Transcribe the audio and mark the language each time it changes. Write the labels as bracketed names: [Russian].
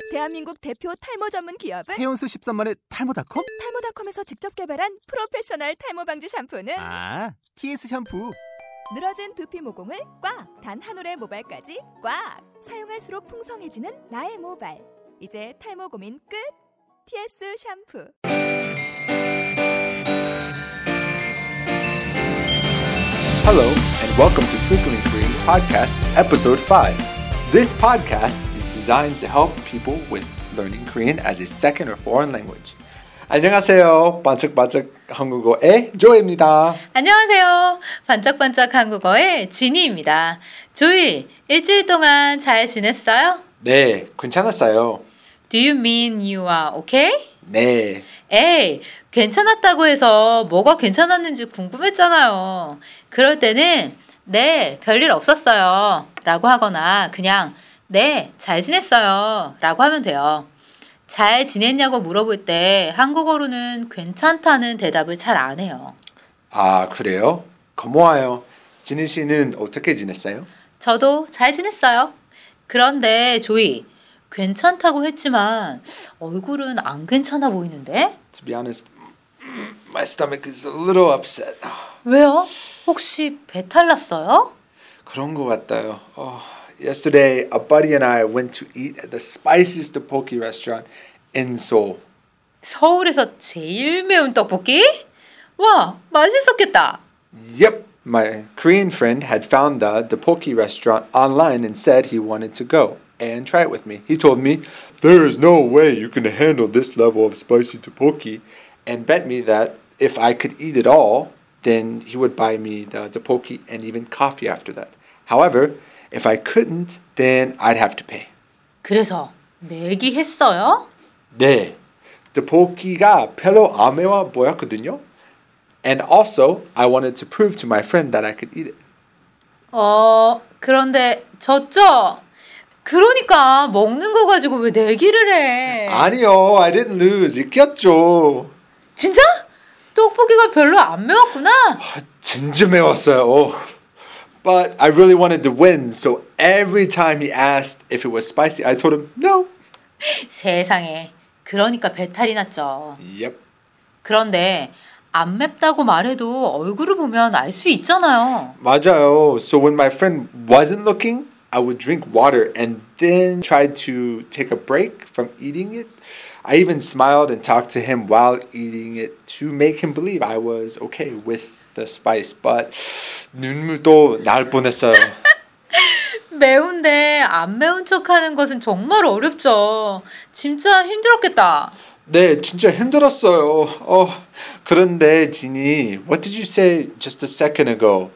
[Korean] 대한민국 대표 탈모 전문 기업은? 해온수 13만의 탈모닷컴? 탈모닷컴에서 직접 개발한 프로페셔널 탈모 방지 샴푸는? 아, TS 샴푸! 늘어진 두피 모공을 꽉! 단 한 올의 모발까지 꽉! 사용할수록 풍성해지는 나의 모발! 이제 탈모 고민 끝! TS 샴푸! [English] 헬로 and welcome to Frequently Green Podcast Episode 5. This podcast is designed to help people with learning Korean as a second or foreign language. [Korean] 안녕하세요. 반짝반짝 한국어의 조이입니다. 안녕하세요. 반짝반짝 한국어의 지니입니다. 조이, 일주일 동안 잘 지냈어요? 네, 괜찮았어요. [English] Do you mean you are okay? [Korean] 네. 에이, 괜찮았다고 해서 뭐가 괜찮았는지 궁금했잖아요. 그럴 때는 네, 별일 없었어요 라고 하거나 그냥 네, 잘 지냈어요 라고 하면 돼요. 잘 지냈냐고 물어볼 때 한국어로는 괜찮다는 대답을 잘 안 해요. 아, 그래요? 고마워요. 지니 씨는 어떻게 지냈어요? 저도 잘 지냈어요. 그런데 조이, 괜찮다고 했지만 얼굴은 안 괜찮아 보이는데? [English] To be honest, my stomach is a little upset. [Korean] 왜요? 혹시 배탈 났어요? 그런 것 같아요. [English] Yesterday, a buddy and I went to eat at the spiciest tteokbokki restaurant in Seoul. [Korean] 서울에서 제일 매운 떡볶이? 와, 맛있었겠다. [English] Yep, my Korean friend had found the tteokbokki restaurant online and said he wanted to go and try it with me. He told me, there is no way you can handle this level of spicy tteokbokki and bet me that if I could eat it all, then he would buy me the tteokbokki and even coffee after that. However, if I couldn't, then I'd have to pay. [Korean] 그래서 내기했어요? 네. 떡볶이가 별로 안 매워 보였거든요. [English] And also, I wanted to prove to my friend that I could eat it. [Korean] 그런데 졌죠? 그러니까 먹는 거 가지고 왜 내기를 해? 아니요, [English] I didn't lose. [Korean] 이겼죠. 진짜? 떡볶이가 별로 안 매웠구나? 진짜 매웠어요. [English] But I really wanted to win, so every time he asked if it was spicy, I told him no. [Korean] 세상에, 그러니까 배탈이 났죠. [English] Yep. [Korean] 그런데 안 맵다고 말해도 얼굴을 보면 알 수 있잖아요. 맞아요. [English] So when my friend wasn't looking, I would drink water and then try to take a break from eating it. I even smiled and talked to him while eating it to make him believe I was okay with the spice, but [Korean] 눈물도 날 뻔했어요. 매운데 안 매운 척하는 것은 정말 어렵죠. 진짜 힘들었겠다. 네, 진짜 힘들었어요. 그런데 [English] 지니, what did you say just a second ago?